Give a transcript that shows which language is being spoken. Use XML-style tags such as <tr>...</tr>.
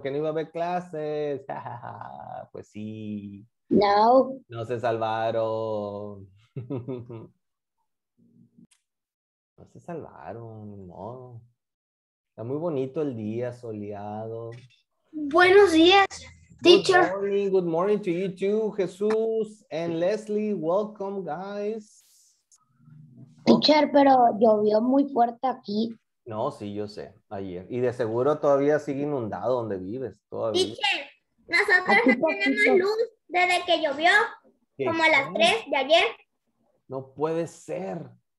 <es>¿Que no iba a haber clases? Pues sí. No. No se salvaron. No se salvaron, no. Está muy bonito el día, soleado. Buenos días, teacher.</es> <en>Good morning to you too, Jesús and Leslie. Welcome, guys.</en> <es>Teacher, pero llovió muy fuerte aquí. No, sí, yo sé, ayer. Y de seguro todavía sigue inundado donde vives. Todavía. Teacher, nosotros no tenemos luz desde que llovió, como a las 3 de ayer. No puede ser.</es>